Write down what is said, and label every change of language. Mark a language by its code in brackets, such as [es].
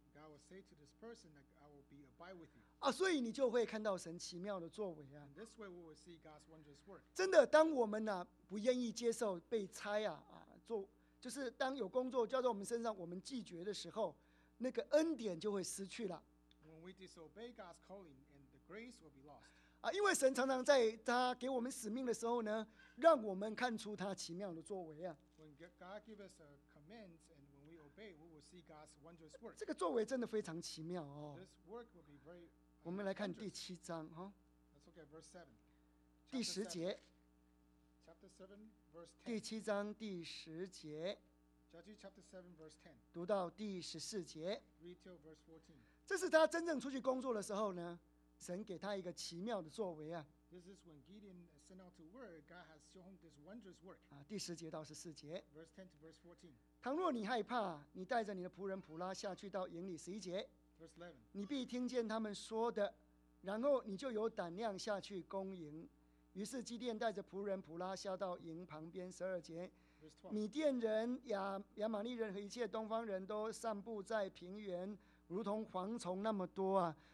[en] God will say to this person that I will be abide with you. [zh] 啊，所以你就会看到神奇妙的作为啊。 [en] This way we will see God's wondrous work. [zh] 真的，当我们呢不愿意接受被差做就是当有工作交到我们身上，我们拒绝的时候，那个恩典就会失去了。 [en] When we disobey God's calling, and the grace will be lost. [zh] 啊，因为神常常在他给我们使命的时候呢，让我们看出他奇妙的作为啊。 [en] When God gives us a commands and when we obey obey, we will see God's wondrous work. [zh] 这个作为真的非常奇妙哦。 [en] This work will be very. [zh] 我们来看第七章哈。 [en] Let's look at verse seven. [zh] 第十节。 [en] Chapter seven, verse ten. [zh] 第七章第十节。 [en] Judges chapter seven, verse ten. [zh] 读到第十四节。 [en] Read till verse 14. [zh] 这是他真正出去工作的时候呢，神给他一个奇妙的作为啊。 [en] This is when Gideon sent out to work. God has shown him this wondrous work. [zh] 第十节到十四节。 [en] Verse 10 to verse 14. [zh] 倘若你害怕，你带着你的仆人普拉下去到营里。十一节。 [en] Verse 11. [zh] 你必听见他们说的，然后你就有胆量下去攻营。于是基甸带着仆人普拉下到营旁边。十二节。 [en] Verse 12. [zh] 米甸人、亚玛利人和一切东方人都散布在平原，如同蝗虫那么多啊。